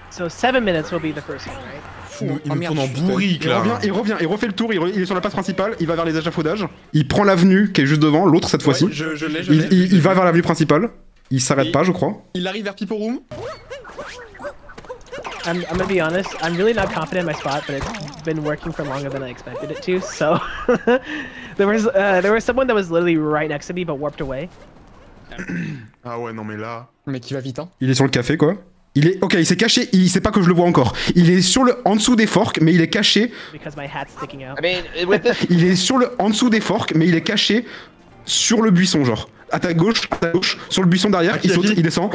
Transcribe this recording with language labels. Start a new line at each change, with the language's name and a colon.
English: So 7 minutes will be the first one, right?
French: Il me tourne en bourrique là. Il revient, il refait le tour, il est sur la place principale, il va vers les échafaudages. Il prend l'avenue qui est juste devant, l'autre cette fois-ci. Je l'ai. Il va vers l'avenue principale. Il s'arrête pas, je crois. Il arrive vers People Room.
English: I'm gonna be honest, I'm really not confident in my spot, but it's been working for longer than I expected it to, so... there was someone that was literally right next to me, but warped away.
French: Ah ouais, non mais là... Mais qui va vite, hein. Il est sur le café, quoi. Ok, il s'est caché, il sait pas que je le vois encore. Il est sur le... en dessous des forks, mais il est caché...
English: Because my hat's sticking out. I mean, with this...
French: Il est sur le... en dessous des forks, mais il est caché... sur le buisson, genre. À ta gauche, sur le buisson derrière, il saute, il descend.